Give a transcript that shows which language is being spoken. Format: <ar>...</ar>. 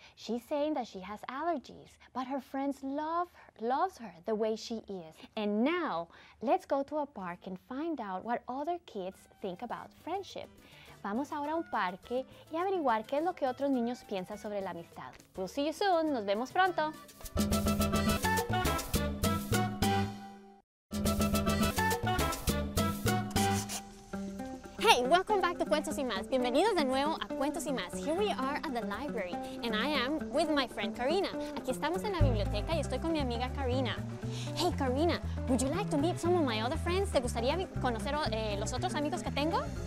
<en>She's saying that she has allergies, but her friends loves her the way she is. And now, let's go to a park and find out what other kids think about friendship.</en> <es>Vamos ahora a un parque y averiguar qué es lo que otros niños piensan sobre la amistad.</es> <en>We'll see you soon.</en> <es>Nos vemos pronto.</es> <en>Hey, welcome back to Cuentos y Más.</en> <es>Bienvenidos de nuevo a Cuentos y Más.</es> <en>Here we are at the library, and I am with my friend Karina.</en> <es>Aquí estamos en la biblioteca y estoy con mi amiga Karina.</es> <en>Hey, Karina, would you like to meet some of my other friends?</en> <es>¿Te gustaría conocer los otros amigos que tengo?</es>